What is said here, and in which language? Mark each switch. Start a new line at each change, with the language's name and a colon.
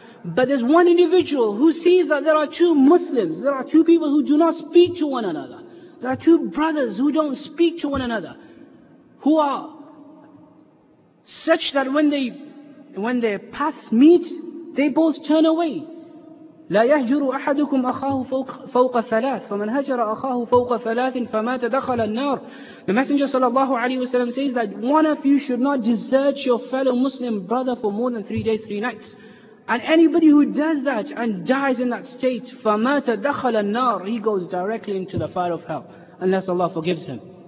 English: But there's one individual who sees that there are two Muslims, there are two people who do not speak to one another. There are two brothers who don't speak to one another, who are such that when their paths meet, they both turn away.
Arabic: لا يهجر أحدكم أخاه فوق ثلاث فمن هجر أخاه فوق ثلاث فما تدخل النار.
English: The Messenger sallallahu alaihi wasallam says that one of you should not desert your fellow Muslim brother for more than 3 days, 3 nights. And anybody who does that and dies in that state,
Arabic: فما تدخل النار,
English: he goes directly into the fire of hell, unless Allah forgives him.